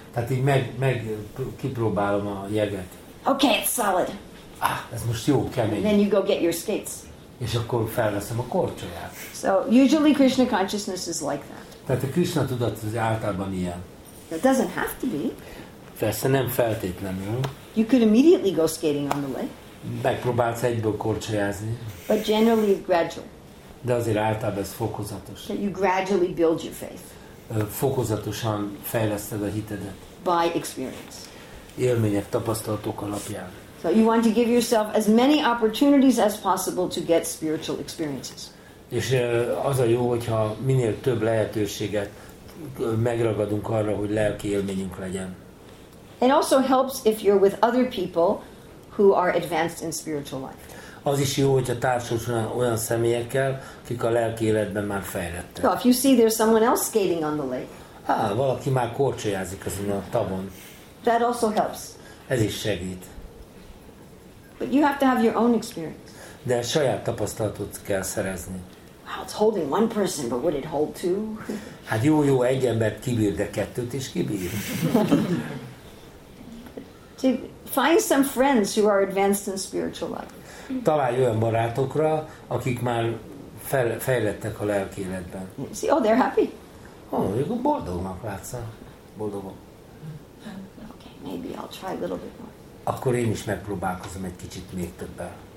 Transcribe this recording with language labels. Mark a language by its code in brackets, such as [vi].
[hu] Tehát így kipróbálom a jeget. [en] Okay, it's solid. [hu] Ah, ez most jó, kemény. [en] And then you go get your skates. [hu] És akkor felveszem a korcsolyát. [en] So usually Krishna consciousness is like that. [hu] Tehát a Krishna tudat az általában ilyen. [en] It doesn't have to be. [hu] Persze nem feltétlenül. [en] You could immediately go skating on the lake. [hu] Megpróbálsz egyből korcsolyázni. [en] But generally gradual. [hu] de azért általában ez fokozatos. [en] That you gradually build your faith. [hu] Fokozatosan fejleszted a hitedet. [en] By experience. [hu] Élmények, tapasztalatok alapján. [en] So you want to give yourself as many opportunities as possible to get spiritual experiences. [hu] És az a jó, hogyha minél több lehetőséget megragadunk arra, hogy lelki élményünk legyen. [en] It also helps if you're with other people who are advanced in spiritual life. [hu] Az is jó, hogyha társulsz olyan személyekkel, akik a lelki életben már fejlettek. [en] So if you see there's someone else skating on the lake. [hu] Valaki már korcsolyázik azon a tavon. [en] That also helps. [hu] Ez is segít. [en] But you have to have your own experience. [hu] De saját tapasztalatot kell szerezni. [en] Wow, it's holding one person, but would it hold two? [hu] Hát jó, egy embert kibír, de kettőt is kibír. [en] To find some friends who are advanced in spiritual life. [hu] Találj olyan barátokra, akik már fejlettek a lelki életben. [en] See, oh, they're happy. [hu] Oh, jó, boldognak látszak. Boldogok. [en] Okay, maybe I'll try a little bit more. [hu] Akkor én is megpróbálkozom egy kicsit még többel.